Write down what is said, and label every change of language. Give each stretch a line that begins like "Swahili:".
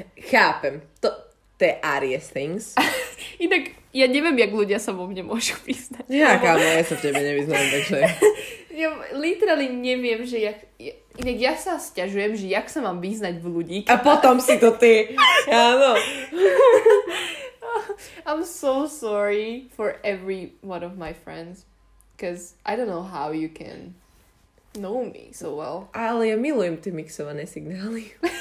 Slovak: Chápem. To je
English: Aries things.
Slovak: Inak, ja neviem, jak ľudia sa vo mne môžu vyznať. Nejaká, no ja sa v tebe nevyznám, takže... Ja literally neviem, že jak... Inak ja sa sťažujem, že jak sa mám vyznať v ľudí. A potom si to ty. Áno.
English: I'm so sorry for every one of my friends. Because I don't know how you can... know me so well.
Slovak: Ale ja milujem tie mixované signály.